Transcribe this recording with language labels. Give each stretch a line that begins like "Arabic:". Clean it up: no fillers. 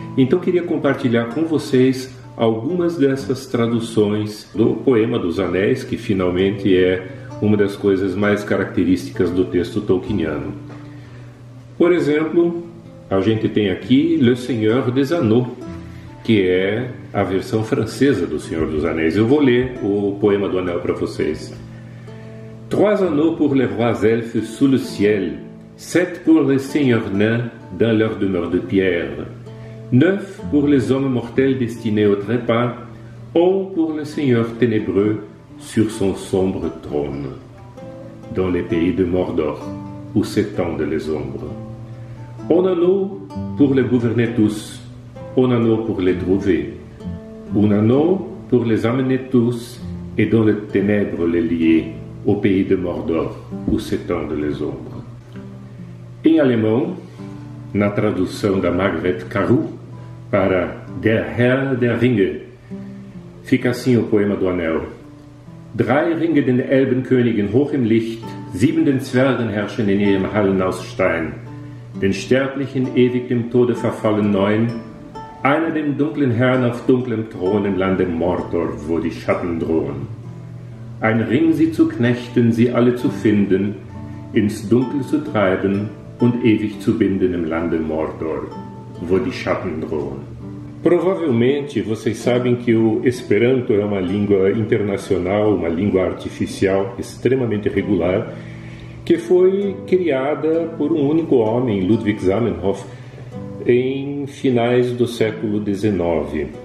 Portuguese: Então queria compartilhar com vocês algumas dessas traduções do Poema dos Anéis, que finalmente é uma das coisas mais características do texto tolkieniano. Por exemplo, a gente tem aqui Le Seigneur des Anneaux, que é a versão francesa do Senhor dos Anéis. Eu vou ler o Poema do Anel para vocês.
French: Trois anneaux pour les rois elfes sous le ciel, sept pour les seigneurs nains dans leur demeure de pierre, neuf pour les hommes mortels destinés au trépas, un pour le seigneur ténébreux sur son sombre trône, dans les pays de Mordor, où s'étendent les ombres. Un anneau pour les gouverner tous, un anneau pour les trouver, un anneau pour les amener tous et dans les ténèbres les lier au pays de Mordor où s'étendent les ombres.
Portuguese: Em alemão, na tradução da Margaret Caru para Der Herr der Ringe, fica assim o poema do Anel.
German: Drei Ringe den Elbenkönigen hoch im Licht, sieben den Zwergen herrschen in ihrem Hallen aus Stein. Den Sterblichen ewig dem Tode verfallen neun, einer dem dunklen Herrn auf dunklem Thron im Lande Mordor, wo die Schatten drohen. Ein Ring sie zu knechten, sie alle zu finden, ins Dunkel zu treiben und ewig zu binden im Lande Mordor, wo die Schatten drohen.
Portuguese: Provavelmente vocês sabem que o Esperanto é uma língua internacional, uma língua artificial extremamente regular, que foi criada por um único homem, Ludwig Zamenhof, em finais do século XIX.